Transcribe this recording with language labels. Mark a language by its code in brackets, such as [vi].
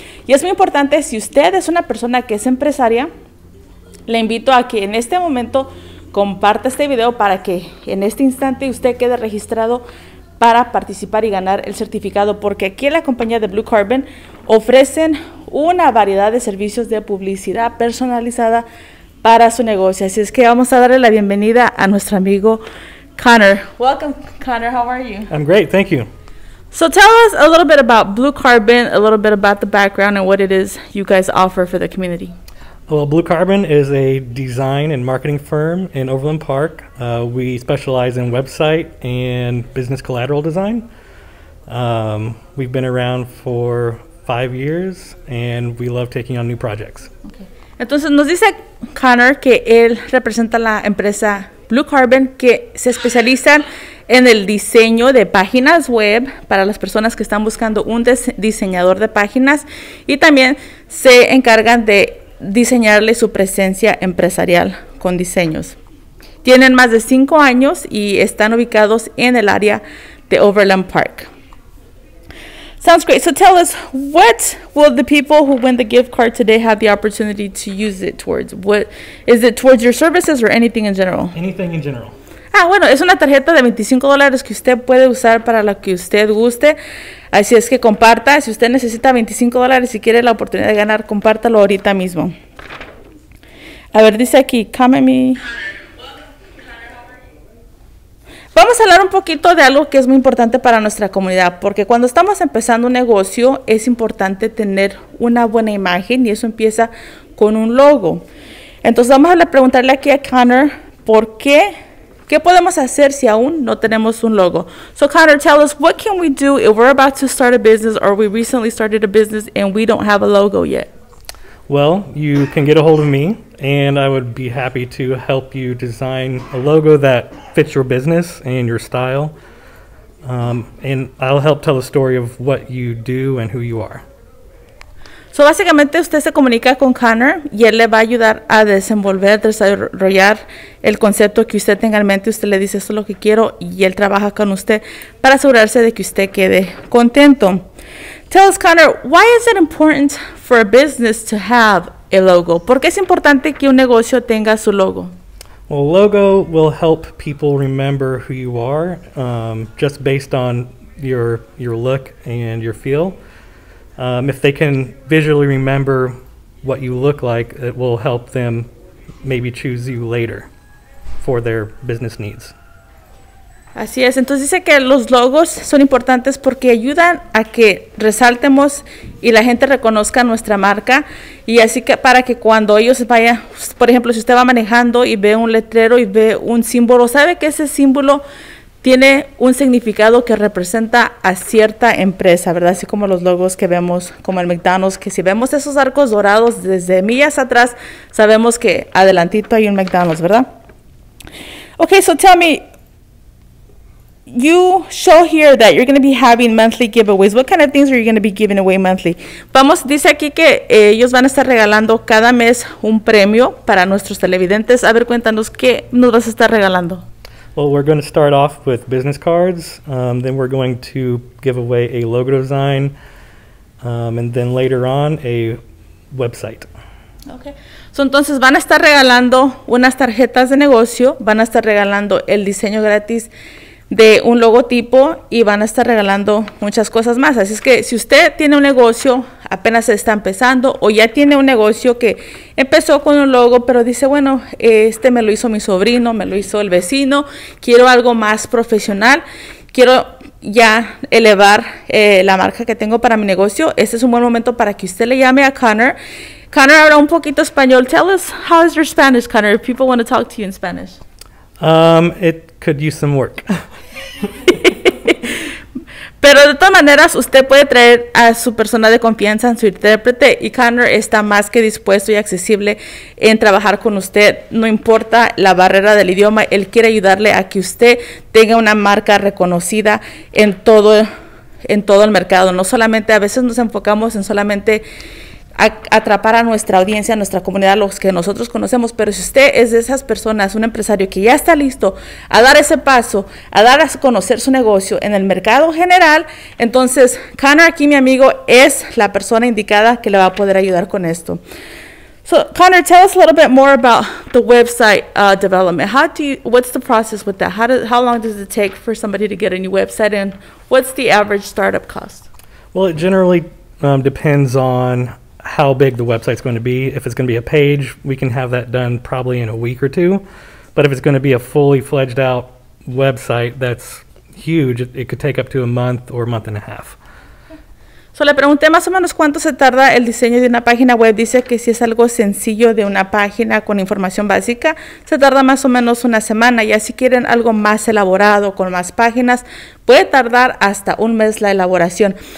[es] Y es muy importante, si usted es una persona que es empresaria, le invito a que en este momento comparta este video para que en este instante usted quede registrado para participar y ganar el certificado, porque aquí en la compañía de Blue Carbon ofrecen una variedad de servicios de publicidad personalizada para su negocio. Así es que vamos a darle la bienvenida a nuestro amigo Connor. [en] Welcome, Connor. How are you? I'm great. Thank you. So tell us a little bit about Blue Carbon, a little bit about the background and what it is you guys offer for the community. Well, Blue Carbon is a design and marketing firm in Overland Park. We specialize in website and business collateral design. We've been around for 5 years and we love taking on new projects. Okay. [es] Entonces nos dice Connor que él representa la empresa Blue Carbon, que se especializa en el diseño de páginas web para las personas que están buscando un diseñador de páginas, y también se encargan de diseñarle su presencia empresarial con diseños. Tienen más de 5 años y están ubicados en el área de Overland Park. [en] Sounds great. So tell us, what will the people who win the gift card today have the opportunity to use it towards? What is it, towards your services or anything in general? Anything in general. [es] Ah, bueno, es una tarjeta de $25 que usted puede usar para lo que usted guste. Así es que comparta. Si usted necesita $25 y quiere la oportunidad de ganar, compártalo ahorita mismo. A ver, dice aquí, come me. Vamos a hablar un poquito de algo que es muy importante para nuestra comunidad, porque cuando estamos empezando un negocio es importante tener una buena imagen, y eso empieza con un logo. Entonces vamos a preguntarle aquí a Connor, ¿por qué? ¿Qué podemos hacer si aún no tenemos un logo? [en] So Connor, tell us, what can we do if we're about to start a business or we recently started a business and we don't have a logo yet? Well, you can get a hold of me and I would be happy to help you design a logo that fits your business and your style. And I'll help tell the story of what you do and who you are. [es] So básicamente usted se comunica con Connor y él le va a ayudar a desarrollar el concepto que usted tenga en mente. Usted le dice, esto es lo que quiero, y él trabaja con usted para asegurarse de que usted quede contento. [en] Tell us, Connor, why is it important for a business to have a logo? [es] ¿Por qué es importante que un negocio tenga su logo? [en] Well, logo will help people remember who you are, just based on your look and your feel. If they can visually remember what you look like, it will help them maybe choose you later for their business needs. [es] Así es. Entonces dice que los logos son importantes porque ayudan a que resaltemos y la gente reconozca nuestra marca. Y así que para que cuando ellos vayan, por ejemplo, si usted va manejando y ve un letrero y ve un símbolo, sabe que ese símbolo tiene un significado que representa a cierta empresa, ¿verdad? Así como los logos que vemos, como el McDonald's, que si vemos esos arcos dorados desde millas atrás, sabemos que adelantito hay un McDonald's, ¿verdad? [en] Okay, so tell me, you show here that you're going to be having monthly giveaways. What kind of things are you going to be giving away monthly? [es] Vamos, dice aquí que ellos van a estar regalando cada mes un premio para nuestros televidentes. A ver, cuéntanos, ¿qué nos vas a estar regalando? [en] Well, we're going to start off with business cards. Then we're going to give away a logo design. And then later on, a website. [es] Okay. So, entonces, van a estar regalando unas tarjetas de negocio. Van a estar regalando el diseño gratis de un logotipo y van a estar regalando muchas cosas más. Así es que si usted tiene un negocio, apenas está empezando, o ya tiene un negocio que empezó con un logo, pero dice, bueno, este me lo hizo mi sobrino, me lo hizo el vecino, quiero algo más profesional, quiero ya elevar la marca que tengo para mi negocio, este es un buen momento para que usted le llame a Connor. [en] Connor, [es] habla un poquito español. [en] Tell us, how is your Spanish, Connor, if people want to talk to you in Spanish. It could use some work. [es] Pero de todas maneras, usted puede traer a su persona de confianza, su intérprete, y Connor está más que dispuesto y accesible en trabajar con usted. No importa la barrera del idioma, él quiere ayudarle a que usted tenga una marca reconocida en todo el mercado. No solamente, a veces nos enfocamos en solamente atrapar a nuestra audiencia, a nuestra comunidad, los que nosotros conocemos, pero si usted es de esas personas, un empresario que ya está listo a dar ese paso, a dar a conocer su negocio en el mercado general, entonces Connor aquí, mi amigo, es la persona indicada que le va a poder ayudar con esto. [en] So, Connor, tell us a little bit more about the website development. What's the process with that? How long does it take for somebody to get a new website, and what's the average startup cost? Well, it generally depends on how big the website's going to be. If it's going to be a page, we can have that done probably in a week or two. But if it's going to be a fully fledged out website that's huge, it could take up to a month or a month and a half. [es] So le pregunté más o menos cuánto se tarda el diseño de una página web. Dice que si es algo sencillo de una página con información básica, se tarda más o menos una semana. Y si quieren algo más elaborado con más páginas, puede tardar hasta un mes la elaboración.